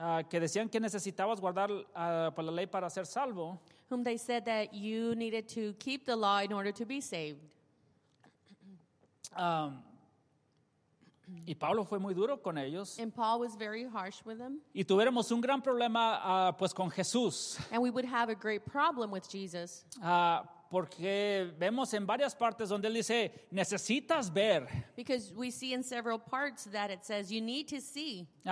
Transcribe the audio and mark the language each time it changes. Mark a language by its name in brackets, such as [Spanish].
[Spanish] Que decían que necesitabas guardar por la ley para ser salvo. [English] Whom they said that you needed to keep the law in order to be saved. [Spanish] Y Pablo fue muy duro con ellos. [English] And Paul was very harsh with them. [Spanish] Y tuviéramos un gran problema pues con Jesús. [English] And we would have a great problem with Jesus. [Spanish] Porque vemos en varias partes donde él dice, necesitas ver. [English] Because we see in several parts that it says, you need to see.